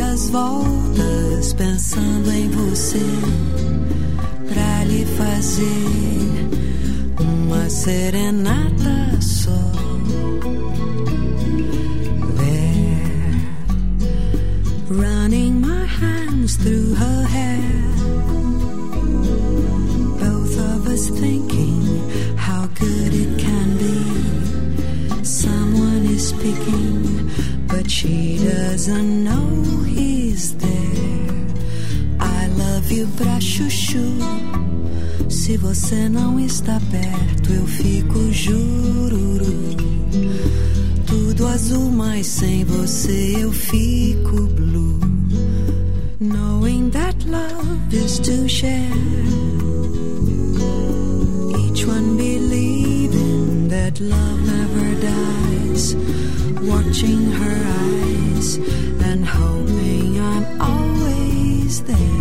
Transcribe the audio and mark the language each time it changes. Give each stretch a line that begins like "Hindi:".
Portuguese: Voltas pensando em você pra lhe fazer uma serenata só.
English: There, running my hands through her hair, both of us thinking how good it can be. Someone is speaking, but she doesn't know he's there. I love you
Portuguese: pra chuchu. Se você não está perto, eu fico jururu. Tudo azul, mas sem você eu fico blue.
English: Knowing that love is to share, each one believing that love never dies. Watching her eyes and hoping I'm always there.